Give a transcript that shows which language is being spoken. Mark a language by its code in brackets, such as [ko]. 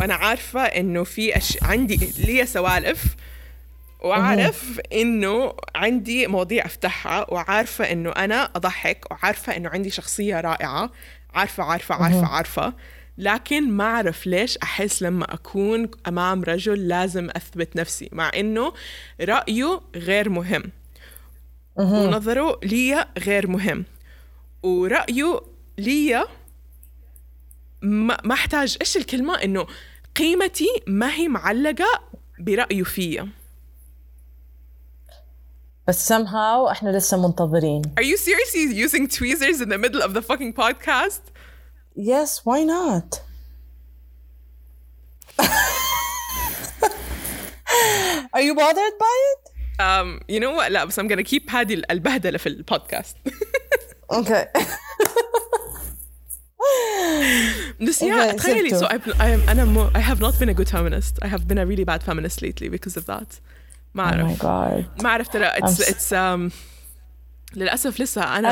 [ar] أنا عارفة إنه في عندي لي سوالف وعارف إنه عندي مواضيع أفتحها وعارفة إنه أنا أضحك وعارفة إنه عندي شخصية رائعة عارفة عارفة عارفة عارفة لكن ما أعرف ليش أحس لما أكون أمام رجل لازم أثبت نفسي مع إنه رأيه غير مهم ونظره لي غير مهم ورأيه لي ما أحتاج إيش الكلمة إنه قيمتي ما هي معلقة برأيه فيه بس somehow إحنا لسه منتظرين. [en] Are you seriously using tweezers in the middle of the fucking podcast? Yes, why not? Are you bothered by it? You know what? [ar] لا بس [en] I'm gonna keep [ar] هذه البهدلة في البودكاست. [en] Okay. [ar] بس يا تخيلي [en] so I have not been a good feminist. I have been a really bad feminist lately because of that. [ar] ما أعرف. [en] Oh my god. [ar] ما أعرف ترى it's للأسف لسه أنا.